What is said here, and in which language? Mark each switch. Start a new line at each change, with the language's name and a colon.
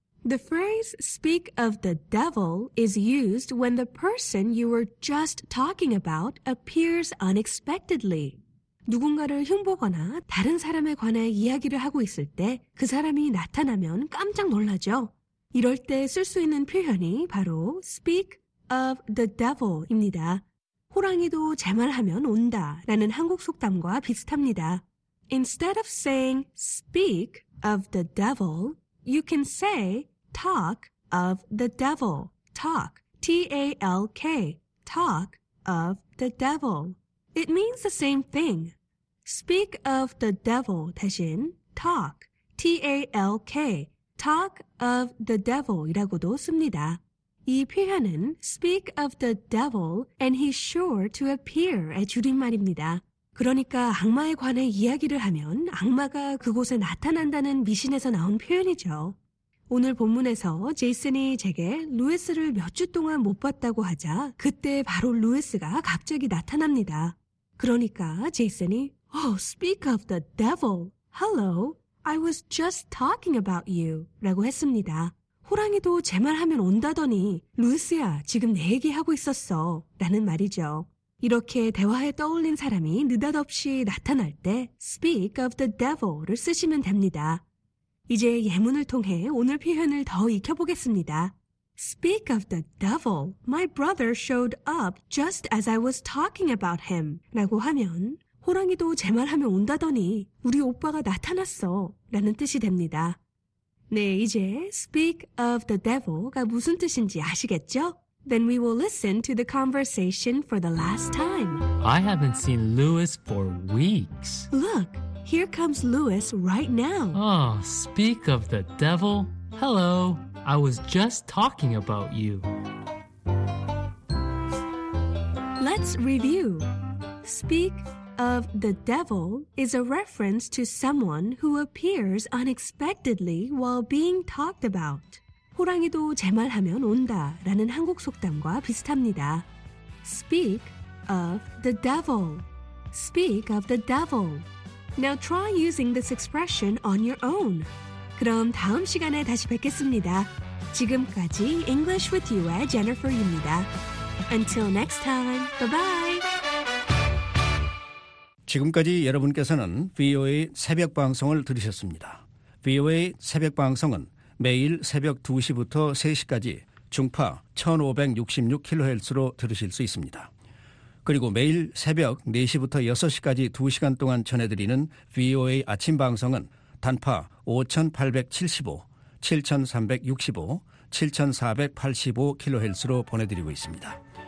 English: The phrase speak of the devil is used when the person you were just talking about appears unexpectedly.
Korean: 누군가를 흉보거나 다른 사람에 관해 이야기를 하고 있을 때 그 사람이 나타나면 깜짝 놀라죠. 이럴 때 쓸 수 있는 표현이 바로
English: speak of the devil
Korean: 입니다. 호랑이도 제 말하면 온다 라는 한국 속담과 비슷합니다.
English: Instead of saying speak of the devil, you can say talk of the devil. Talk, T-A-L-K, talk of the devil. It means the same thing. Speak of the devil
Korean: 대신
English: talk, T-A-L-K, talk of the devil
Korean: 이라고도 씁니다. 이 표현은
English: speak of the devil and he's sure to appear
Korean: 의 줄임말입니다. 그러니까 악마에 관해 이야기를 하면 악마가 그곳에 나타난다는 미신에서 나온 표현이죠. 오늘 본문에서 제이슨이 제게 루이스를 몇 주 동안 못 봤다고 하자 그때 바로 루이스가 갑자기 나타납니다. 그러니까 제이슨이
English: Oh, speak of the devil. Hello, I was just talking about you.
Korean: 라고 했습니다. 호랑이도 제 말하면 온다더니 루이스야 지금 내 얘기하고 있었어 라는 말이죠. 이렇게 대화에 떠올린 사람이 느닷없이 나타날 때
English: speak of the devil
Korean: 를 쓰시면 됩니다. 이제 예문을 통해 오늘 표현을 더 익혀보겠습니다.
English: Speak of the devil. My brother showed up just as I was talking about him.
Korean: 라고 하면 호랑이도 제 말하면 온다더니 우리 오빠가 나타났어 라는 뜻이 됩니다. 네, 이제
English: speak of the devil
Korean: 가 무슨 뜻인지 아시겠죠?
English: Then we will listen to the conversation for the last time. I haven't seen Lewis for weeks. Look, here comes Lewis right now. Oh, speak of the devil. Hello, I was just talking about you. Let's review. Speak of the devil is a reference to someone who appears unexpectedly while being talked about.
Korean: 호랑이도 제 말하면 온다라는 한국 속담과 비슷합니다.
English: Speak of the devil. Speak of the devil. Now try using this expression on your own.
Korean: 그럼 다음 시간에 다시 뵙겠습니다. 지금까지 English with You의 Jennifer입니다.
English: Until next time, bye-bye.
Korean: 지금까지 여러분께서는 VOA 새벽 방송을 들으셨습니다. VOA 새벽 방송은 매일 새벽 2시부터 3시까지 중파 1566kHz로 들으실 수 있습니다. 그리고 매일 새벽 4시부터 6시까지 2시간 동안 전해드리는 VOA 아침 방송은 단파 5875, 7365, 7485kHz로 보내드리고 있습니다.